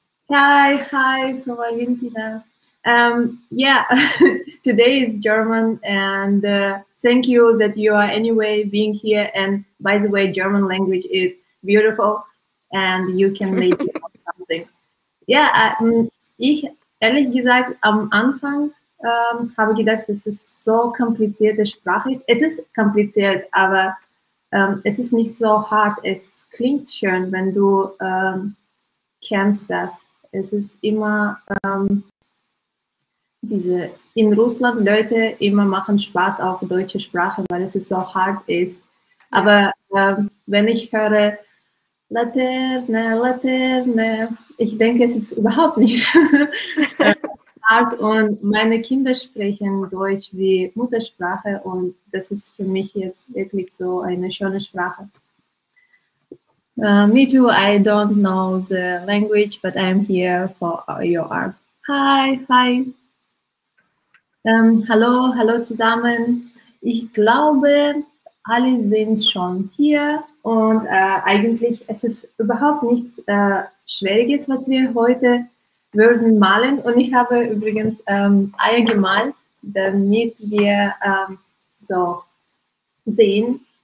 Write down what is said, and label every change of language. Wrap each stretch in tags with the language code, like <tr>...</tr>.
<en>Hi, hi from Argentina. Yeah, today is German and thank you that you are anyway being here. And by the way, German language is beautiful and you can make it something.</en> <de>Yeah, ich ehrlich gesagt am Anfang habe gedacht, dass es so komplizierte Sprache ist. Es ist kompliziert, aber es ist nicht so hart. Es klingt schön, wenn du kennst das. Es ist immer diese, in Russland Leute immer machen Spaß auf deutsche Sprache, weil es so hart ist. Aber wenn ich höre Laterne, Laterne, ich denke, es ist überhaupt nicht hart. Und meine Kinder sprechen Deutsch wie Muttersprache und das ist für mich jetzt wirklich so eine schöne Sprache.</de> <en>Me too, I don't know the language, but I'm here for your art.</en> <de>Hi, hi. Hallo, hallo zusammen. Ich glaube, alle sind schon hier und eigentlich es ist überhaupt nichts Schwieriges, was wir heute würden malen. Und ich habe übrigens Eier gemalt, damit wir so sehen.</de>